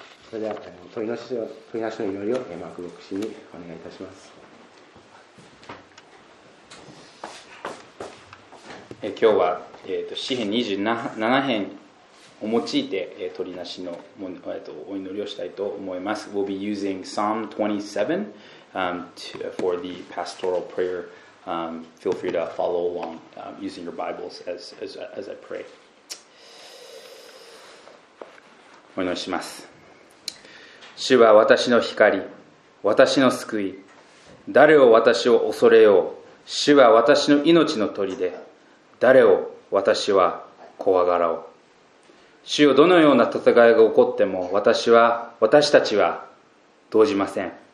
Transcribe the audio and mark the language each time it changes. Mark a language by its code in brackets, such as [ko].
[ja] それでは問いなしの祈りをマーク牧師にお願いいたします。今日は詩編27編を用いて取りなしのお祈りをしたいと思います。 [en] We'll be using Psalm 27 for the pastoral prayer. Feel free to follow along using your Bibles as I pray. [ja] お祈りします。主は私の光、私の救い、誰を私を恐れよう。主は私の命の砦、誰を私は怖がろう。主よ、どのような戦いが起こっても私たちは動じません。